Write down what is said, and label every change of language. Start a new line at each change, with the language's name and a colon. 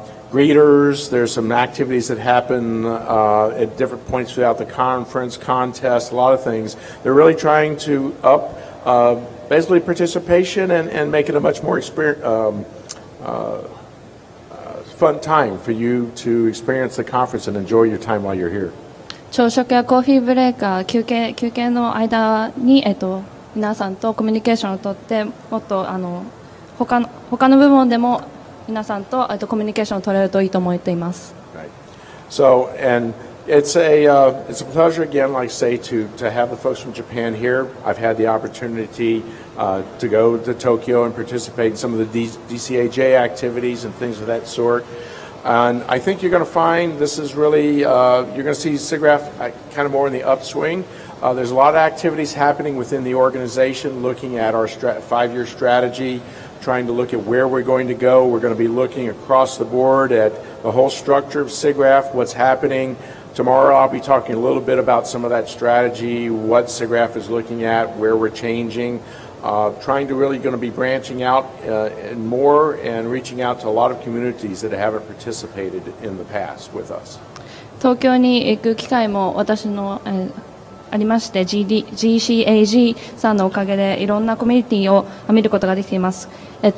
English: Greeters, there's some activities that happen at different points throughout the conference, contests, a lot of things. They're really trying to up basically participation and make it a much more fun time for you to experience the conference and enjoy your time while you're here.
Japanese: 朝食やコーヒーブレーカー、休憩の間に皆さんとコミュニケーションをとって、もっと他の部門でも皆さんとコミュニケーションを取れるといいと思っています。
English: So, and it's a pleasure again, like I say, to have the folks from Japan here. I've had the opportunity to go to Tokyo and participate in some of the DCAJ activities and things of that sort. And I think you're going to find this is really, you're going to see SIGGRAPH kind of more in the upswing. There's a lot of activities happening within the organization looking at our five-year strategy. Trying to look at where we're going to go. We're going to be looking across the board at the whole structure of SIGGRAPH, what's happening. Tomorrow I'll be talking a little bit about some of that strategy, what SIGGRAPH is looking at, where we're changing. Trying to really going to be branching out and more and reaching out to a lot of communities that haven't participated in the past with us.
Japanese: 東京に行く機会も私のありまして GCAG さんのおかげでいろんなコミュニティを見ることができています。